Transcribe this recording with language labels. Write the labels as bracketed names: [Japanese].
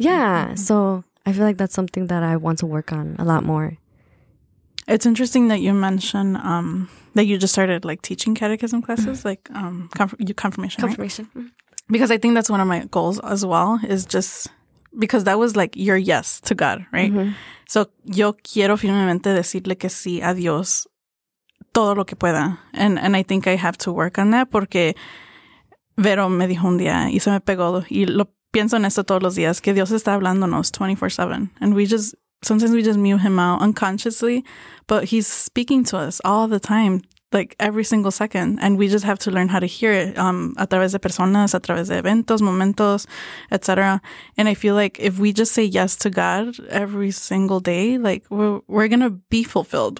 [English] Yeah, so I feel like that's something that I want to work on a lot more. It's interesting that you mentioned that you just started like teaching catechism classes, like confirmation. Right? Because I think that's one of my goals as well, is just because that was like your yes to God, right? Mm-hmm. [Spanish] So yo quiero firmemente decirle que sí a Dios todo lo que pueda. [English] And I think I have to work on that [Spanish] porque Vero me dijo un día y se me pegó y lo pienso en esto todos los días, que Dios está hablándonos 24/7 [English] and we just... Sometimes we just mute him out unconsciously, but he's speaking to us all the time, like every single second. And we just have to learn how to hear it [Spanish] a través de personas, a través de eventos, momentos, etc. [English] And I feel like if we just say yes to God every single day, like we're going to be fulfilled.